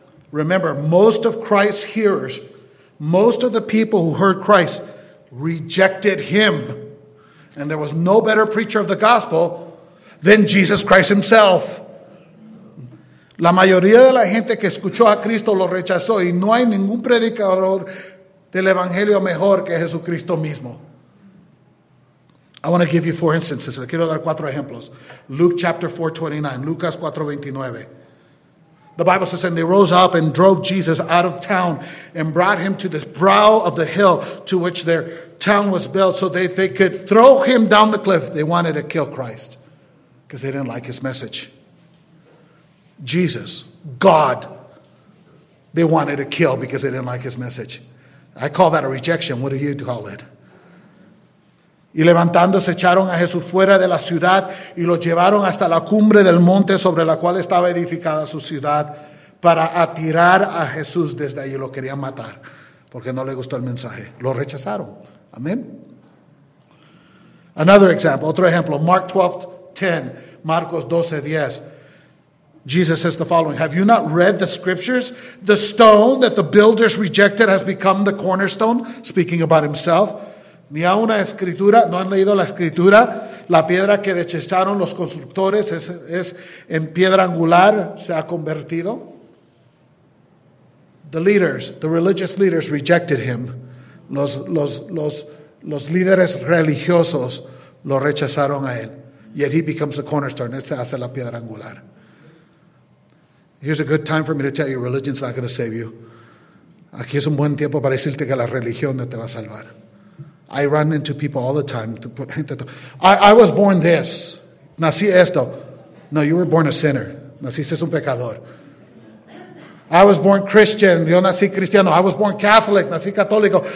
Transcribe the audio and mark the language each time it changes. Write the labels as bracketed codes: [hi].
[en] Remember, most of Christ's hearers, most of the people who heard Christ rejected him. And there was no better preacher of the gospel than Jesus Christ himself. [es] La mayoría de la gente que escuchó a Cristo lo rechazó y no hay ningún predicador del evangelio mejor que Jesucristo mismo. [en] I want to give you four instances. [es] Le quiero dar cuatro ejemplos. [en] Luke chapter 4:29. [es] Lucas 4:29. [en] The Bible says, and they rose up and drove Jesus out of town and brought him to the brow of the hill to which their town was built so that they could throw him down the cliff. They wanted to kill Christ because they didn't like his message. Jesus, God, they wanted to kill because they didn't like his message. I call that a rejection. What do you call it? [es] Y levantándose echaron a Jesús fuera de la ciudad y lo llevaron hasta la cumbre del monte sobre la cual estaba edificada su ciudad para atirar a Jesús desde allí. Lo querían matar porque no le gustó el mensaje. Lo rechazaron. Amén. [en] Another example, [es] otro ejemplo, Mark 12:10, Marcos 12:10. [en] Jesus says the following, have you not read the scriptures? The stone that the builders rejected has become the cornerstone, speaking about himself. [es] Ni a una escritura, no han leído la escritura, la piedra que desecharon los constructores es en piedra angular, se ha convertido. [en] The leaders, the religious leaders rejected him. [es] Los líderes religiosos lo rechazaron a él. [en] Yet he becomes the cornerstone, [es] él se hace la piedra angular. [en] Here's a good time for me to tell you religion's not going to save you. [es] Aquí es un buen tiempo para decirte que la religión no te va a salvar. [en] I run into people all the time. I was born this. [es] Nací esto. [en] No, you were born a sinner. [es] Naciste un pecador. [en] I was born Christian. [es] Yo nací cristiano. [en] I was born Catholic. [es] Nací católico.